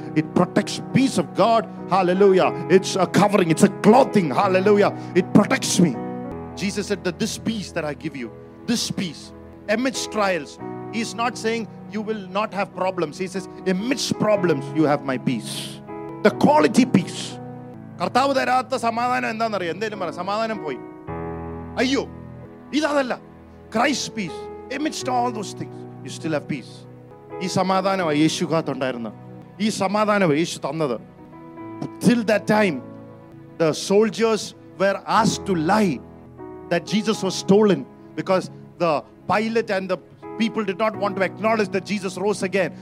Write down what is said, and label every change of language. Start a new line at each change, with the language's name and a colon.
English: It protects peace of God. Hallelujah. It's a covering. It's a clothing. Hallelujah. It protects me. Jesus said that this peace that I give you, this peace, amidst trials, he's not saying you will not have problems. He says, amidst problems, you have my peace. The quality peace.
Malayalam: കർത്താവ് തരാത്ത സമാധാനം എന്താണെന്നറിയാം? എന്തെങ്കിലും പറ സമാധാനം പോയി. അയ്യോ ഇതല്ല.
English: Christ's peace, amidst all those things, you still have peace.
Malayalam: ഈ സമാധാനം യേശുവിനകത്ത് ഉണ്ടായിരുന്നു. ഈ സമാധാനം യേശു തന്നത്.
English: Till that time, the soldiers were asked to lie that Jesus was stolen because the Pilate and the people did not want to acknowledge that Jesus rose again.